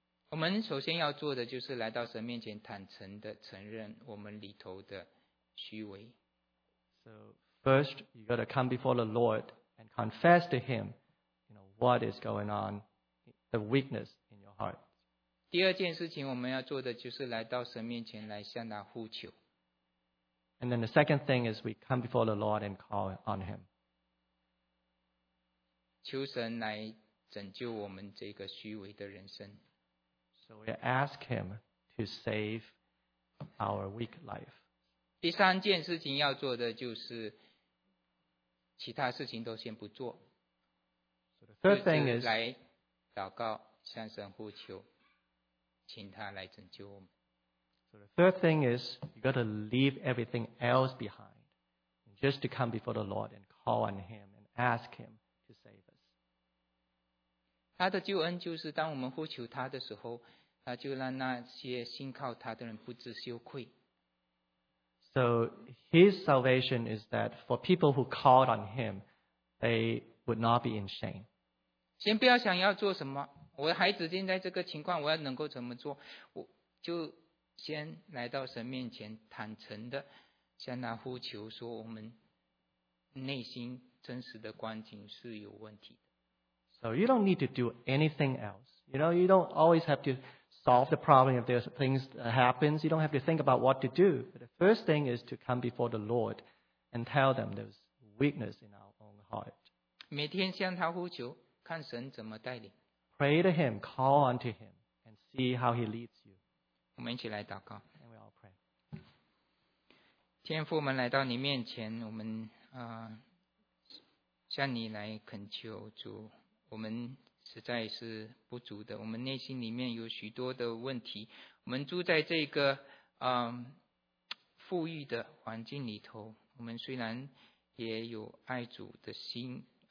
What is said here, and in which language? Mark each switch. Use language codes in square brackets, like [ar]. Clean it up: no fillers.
[zh] 我们首先要做的就是来到神面前，坦诚的承认我们里头的虚伪。 [en] So first, you got to come before the Lord and confess to Him, you know, what is going on, the weakness in your heart. [zh] 第二件事情我们要做的就是来到神面前来向他呼求。 [en] And then the second thing is we come before the Lord and call on Him. [zh] 求神来拯救我们这个虚伪的人生。 [en] So we ask Him to save our weak life. [zh] 第三件事情要做的就是其他事情都先不做。 [en] So the third thing is [zh] 来祷告向神呼求请他来拯救我们。 [en] So the third thing is you've got to leave everything else behind just to come before the Lord and call on Him and ask Him to save us. [zh] 他的救恩就是当我们呼求他的时候他就让那些信靠他的人不知羞愧。 [en] So His salvation is that for people who called on Him, they would not be in shame. [zh] 先不要想要做什么，我的孩子现在这个情况，我要能够怎么做？我就先来到神面前，坦诚的向他呼求，说我们内心真实的光景是有问题的。 [en] So you don't need to do anything else. You know, you don't always have to. Solve the problem if there's things that happens. You don't have to think about what to do. But the first thing is to come before the Lord and tell them there's weakness in our own heart. [zh] 每天向他呼求，看神怎么带领。 [en] Pray to Him, call unto Him, and see how He leads you. [zh] 我们一起来祷告。 [en] And we all pray. [zh] 天父，我们来到你面前，我们向你来恳求主，我们。实在是不足的我们内心里面有许多的问题我们住在这个富裕的环境里头我们虽然也有爱主的心